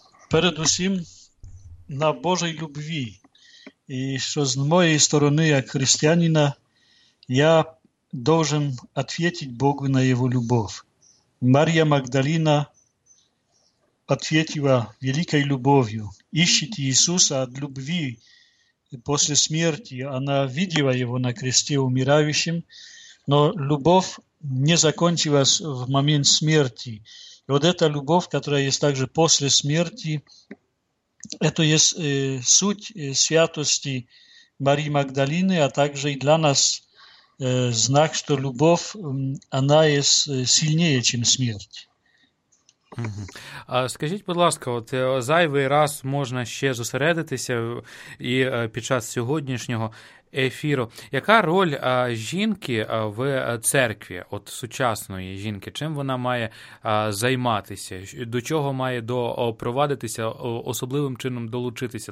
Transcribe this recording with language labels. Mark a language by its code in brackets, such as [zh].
[uk] Перед усім на Божій любві. І що з моєї сторони, як християнина, я должен відповідати Богу на Його любов. Марія Магдалина відповідала великою любов'ю. Ищіть Ісуса від любові. [ru] После смерти она видела его на кресте умирающим, но любовь не закончилась в момент смерти. И вот эта любовь, которая есть также после смерти, это есть суть святости Марии Магдалины, а также и для нас знак, что любовь, она есть сильнее, чем смерть. [uk] Скажіть, будь ласка, от зайвий раз можна ще зосередитися і під час сьогоднішнього ефіру. Яка роль жінки в церкві, от сучасної жінки, чим вона має займатися, до чого має допровадитися, особливим чином долучитися?